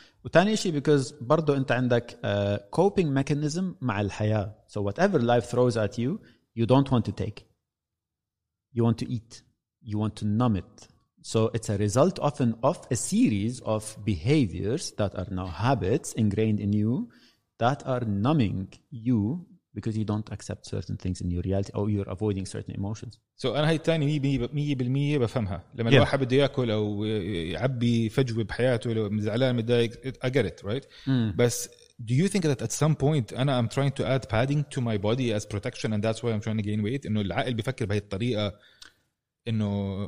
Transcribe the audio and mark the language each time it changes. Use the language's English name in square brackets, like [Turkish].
[Arabic] وتاني إشي because برضو أنت عندك coping mechanism مع الحياة. [English] So whatever life throws at you, you don't want to take. You want to eat. You want to numb it. So it's a result often of a series of behaviors that are now habits ingrained in you that are numbing you because you don't accept certain things in your reality or you're avoiding certain emotions. [Arabic] So أنا هاي التاني 100% بفهمها. لما yeah. الواحد بده يأكل أو يعبي فجوة بحياته لو مزعلان مضايق, [English] I get it, right? بس do you think that at some point أنا I'm trying to add padding to my body as protection and that's why I'm trying to gain weight, [Arabic] إنه العقل بفكر بهي الطريقة إنه